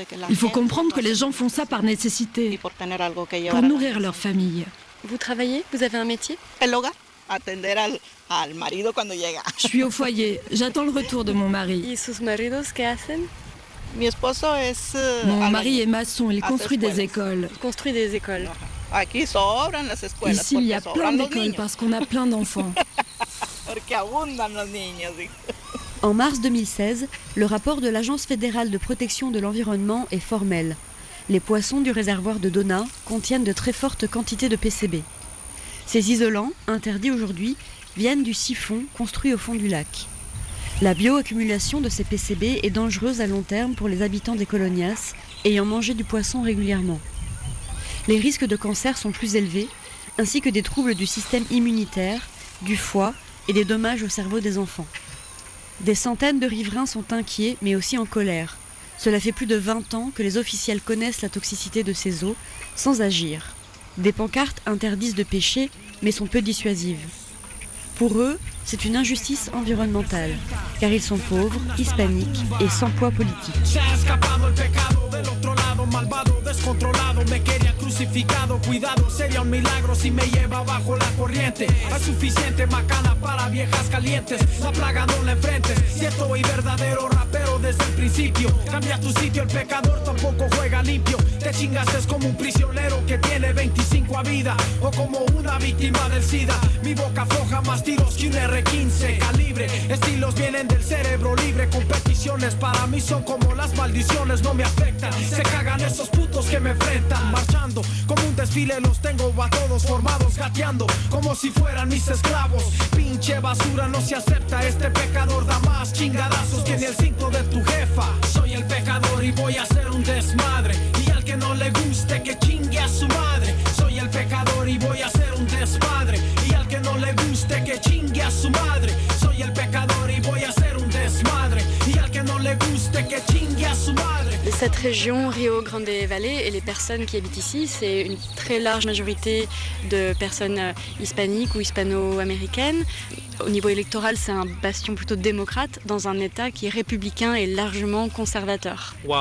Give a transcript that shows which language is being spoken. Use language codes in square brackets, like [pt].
[fr] Il faut comprendre que les gens font ça par nécessité, pour nourrir leur famille. Vous travaillez ? Vous avez un métier ? [es] Atender al marido cuando llega. [fr] Je suis au foyer, j'attends le retour de mon mari. [es] ¿Y sus maridos qué hacen? Mi esposo es [fr] mon mari est maçon, il construit des écoles. Il construit des écoles. [es] Aquí sobran las escuelas. [fr] Ici, il y a plein d'écoles parce qu'on a plein d'enfants. [es] Porque abundan los niños. [fr] En mars 2016, le rapport de l'Agence fédérale de protection de l'environnement est formel. Les poissons du réservoir de Donna contiennent de très fortes quantités de PCB. Ces isolants, interdits aujourd'hui, viennent du siphon construit au fond du lac. La bioaccumulation de ces PCB est dangereuse à long terme pour les habitants des Colonias, ayant mangé du poisson régulièrement. Les risques de cancer sont plus élevés, ainsi que des troubles du système immunitaire, du foie et des dommages au cerveau des enfants. Des centaines de riverains sont inquiets, mais aussi en colère. Cela fait plus de 20 ans que les officiels connaissent la toxicité de ces eaux, sans agir. Des pancartes interdisent de pêcher, mais sont peu dissuasives. Pour eux, c'est une injustice environnementale, car ils sont pauvres, hispaniques et sans poids politique. [es] Malvado, descontrolado, me quería crucificado. Cuidado, sería un milagro si me lleva bajo la corriente. Hay suficiente macana para viejas calientes. La plaga no la enfrentes. Cierto y verdadero rapero desde el principio. Cambia tu sitio, el pecador tampoco juega limpio. Te chingas, es como un prisionero que tiene 25 a vida. O como una víctima del SIDA. Mi boca afloja más tiros que un R15 calibre. Estilos vienen del cerebro libre. Competiciones para mí son como las maldiciones. No me afectan, se cagan. Esos putos que me enfrentan marchando como un desfile, los tengo a todos formados gateando como si fueran mis esclavos. Pinche basura, no se acepta, este pecador da más chingadazos que ni el cinto de tu jefa. Soy el pecador y voy a hacer un desmadre, y al que no le guste que chingue a su madre. Soy el pecador y voy a hacer un desmadre, y al que no le guste que chingue a su madre. Soy el pecador y voy a hacer un desmadre, y al que no le guste que chingue a su madre. [fr] Cette région, Rio Grande Valley, et les personnes qui habitent ici, c'est une très large majorité de personnes hispaniques ou hispano-américaines. Au niveau électoral, c'est un bastion plutôt démocrate dans un État qui est républicain et largement conservateur.